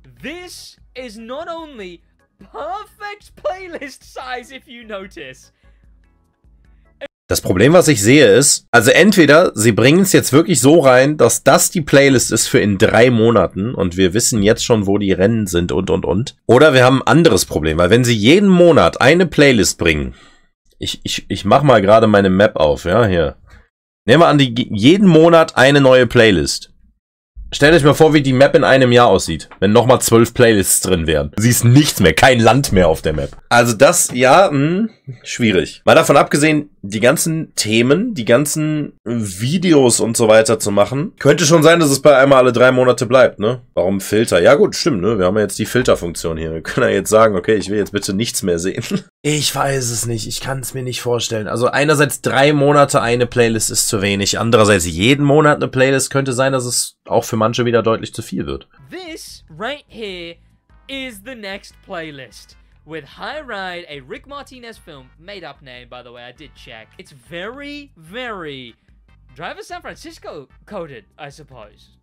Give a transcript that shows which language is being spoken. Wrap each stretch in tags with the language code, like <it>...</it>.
<en>This is not only perfect playlist size, if you notice.</en> <de>Das Problem, was ich sehe, ist, also entweder sie bringen es jetzt wirklich so rein, dass das die Playlist ist für in 3 Monaten und wir wissen jetzt schon, wo die Rennen sind und. Oder wir haben ein anderes Problem, weil wenn sie jeden Monat eine Playlist bringen, ich mach mal gerade meine Map auf, ja, hier. Nehmen wir an, die jeden Monat eine neue Playlist. Stellt euch mal vor, wie die Map in einem Jahr aussieht, wenn nochmal 12 Playlists drin wären. Siehst nichts mehr, kein Land mehr auf der Map. Also das, ja, schwierig. Mal davon abgesehen, die ganzen Themen, die ganzen Videos und so weiter zu machen, könnte schon sein, dass es bei einmal alle 3 Monate bleibt, ne? Warum Filter? Ja gut, stimmt, ne? Wir haben ja jetzt die Filterfunktion hier. Wir können ja jetzt sagen, okay, ich will jetzt bitte nichts mehr sehen. Ich weiß es nicht, ich kann es mir nicht vorstellen. Also einerseits 3 Monate eine Playlist ist zu wenig, andererseits jeden Monat eine Playlist, könnte sein, dass es auch für manche wieder deutlich zu viel wird.</de> <en>This right here is the next playlist. With High Ride, a Rick Martinez film, made up name, by the way, I did check. It's very, very Driver San Francisco coded, I suppose.</en>